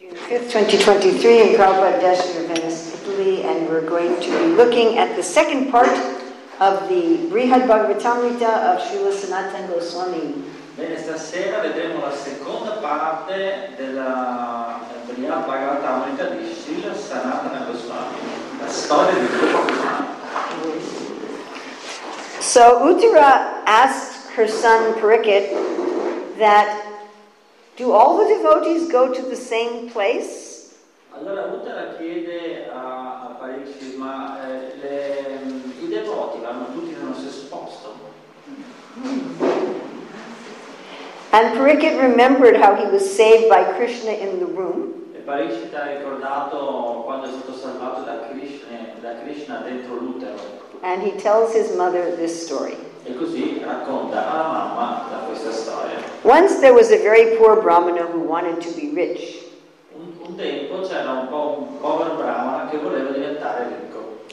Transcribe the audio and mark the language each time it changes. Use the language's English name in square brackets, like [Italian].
[English] 5th, 2023, in Kalpa, Desha, Venice, Italy, and we're going to be looking at the second part of the Brihad Bhagavatamrita of Srila Sanatana Goswami. [Italian] Bene, stasera vedremo la seconda parte della Brihad Bhagavatamrita di Srila Sanatana Goswami, la storia di Brihad Bhagavatamrita. [English] So Uttara asked her son Parikit that, do all the devotees go to the same place? [Italian] Allora Uttara chiede a Parikshit, ma i devoti vanno tutti nello stesso posto? [English] And Parikshit remembered how he was saved by Krishna in the room. [Italian] E Parikshit ha ricordato quando è stato salvato da Krishna dentro l'utero. [English] And he tells his mother this story. [Italian] E così racconta a mamma da questa storia. [English] Once there was a very poor brahmana who wanted to be rich. [Italian] Un tempo c'era un povero brahmana che voleva diventare ricco.